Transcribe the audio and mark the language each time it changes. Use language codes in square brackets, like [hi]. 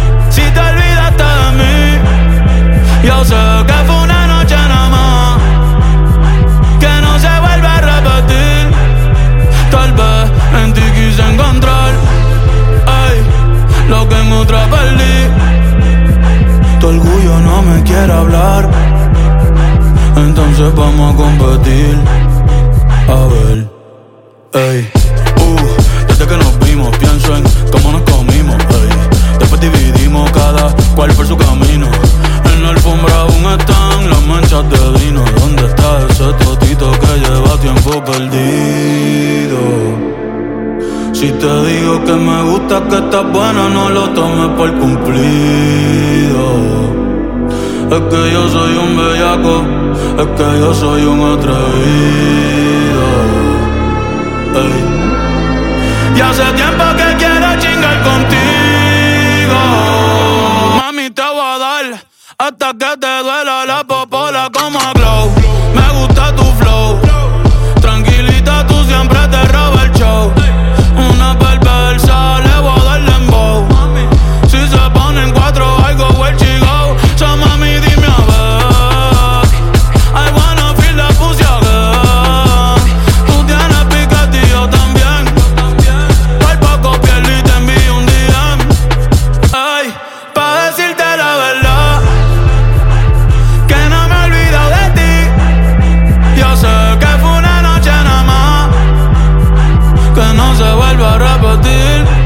[es] Si te olvidaste de mí, yo sé que fue una noche nada más. Que no se vuelve a repetir. Tal vez en ti quise encontrar. Ey, lo que en otra perdí. Tu orgullo no. [fr] sais pas moi qu'on va deal. [en] Ah well. Hey. [es] Desde que nos vimos pienso en cómo nos comimos. Hey. Después dividimos cada cual por su camino. En la alfombra aún están las manchas de vino. ¿Dónde está ese totito que lleva tiempo perdido? Si te digo que me gusta, que estás buena, no lo tomes por cumplido. Es que yo soy un bellaco, es que yo soy un atrevido. Ey. Y hace tiempo que quiero chingar contigo. Mami, te voy a dar hasta que te duela la popola como a Glow. Me gusta tu flow. Tranquilita, tú siempre te robas el show. Una perversa, le voy a dar dembow. Si se ponen cuatro, [en] I go where she go. [es] So mami, dime a ver. [en] I wanna feel the pussy again. [es] Tú tienes piquete y yo también. Por poco pierdo y te envío un DM. Ay, pa' decirte la verdad, que no me he olvidado de ti. Yo sé que fue una noche nada más, que no se vuelva a repetir.